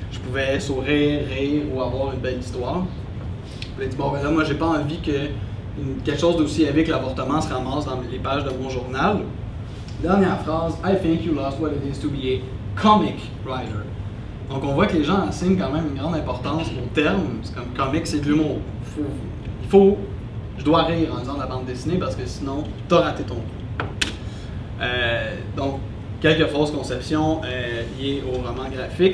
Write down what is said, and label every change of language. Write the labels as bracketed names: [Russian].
[French] Je pouvais sourire, rire ou avoir une belle histoire. » Bon, ben là, moi, j'ai pas envie que quelque chose d'aussi heavy que l'avortement se ramasse dans les pages de mon journal. Dernière phrase, [English] I think you lost what it is to be a comic writer. [French] Donc, on voit que les gens assignent quand même une grande importance au terme. C'est comme comic, c'est de l'humour. Je dois rire en disant la bande dessinée parce que sinon, t'as raté ton coup. Donc, quelques fausses conceptions liées au roman graphique.